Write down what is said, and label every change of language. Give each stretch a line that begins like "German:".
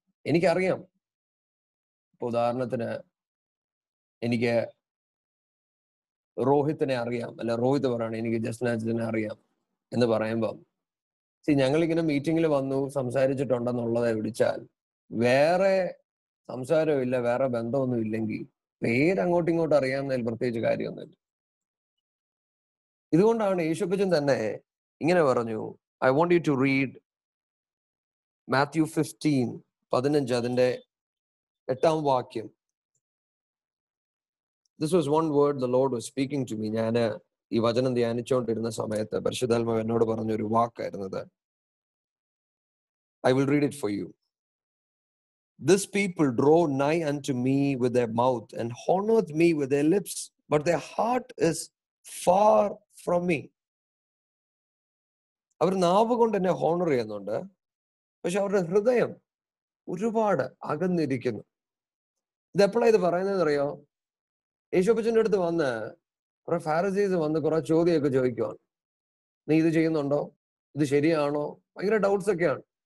Malayalam: എനിക്കറിയാം, ഇപ്പൊ ഉദാഹരണത്തിന് എനിക്ക് റോഹിത്തിനെ അറിയാം, അല്ല റോഹിത്ത് പറയുകയാണ് എനിക്ക് ജസ്നാജിനെ അറിയാം എന്ന് പറയുമ്പം ഞങ്ങളിങ്ങനെ മീറ്റിംഗിൽ വന്നു സംസാരിച്ചിട്ടുണ്ടെന്നുള്ളതെ വിളിച്ചാൽ വേറെ സംസാരവും ഇല്ല, വേറെ ബന്ധമൊന്നും ഇല്ലെങ്കിൽ പേരങ്ങോട്ടും ഇങ്ങോട്ടും അറിയാമെന്നതിൽ പ്രത്യേകിച്ച് കാര്യമൊന്നുമില്ല. ഇതുകൊണ്ടാണ് യേശുപ്പച്ചൻ തന്നെ ഇങ്ങനെ പറഞ്ഞു,
English: I want you to read Matthew 15:15
Malayalam: അതിന്റെ 8th വാക്യം.
English: This was one word the Lord was speaking to me.
Malayalam: ഞാൻ ഈ വചനം ധ്യാനിച്ചുകൊണ്ടിരുന്ന സമയത്ത് പരിശുദ്ധാത്മാവ് എന്നോട് പറഞ്ഞ ഒരു വാക്കായിരുന്നത്.
English: I will read it for you. This people draw nigh unto me with their mouth and honor me with their lips, but their heart is far from me.
Malayalam: അവർ നാവ് കൊണ്ട് എന്നെ ഹോണർ ചെയ്യുന്നുണ്ട്, പക്ഷെ അവരുടെ ഹൃദയം ഒരുപാട് അകന്നിരിക്കുന്നു. ഇത് എപ്പോഴാണ് ഇത് പറയുന്നതെന്നറിയോ? യേശുപ്പച്ചൻ്റെ അടുത്ത് വന്ന് കുറെ ഫാരസീസ് വന്ന് കുറെ ചോദ്യമൊക്കെ ചോദിക്കുവാണ്, നീ ഇത് ചെയ്യുന്നുണ്ടോ, ഇത് ശരിയാണോ, ഭയങ്കര ഡൗട്ട്സ് ഒക്കെയാണ്.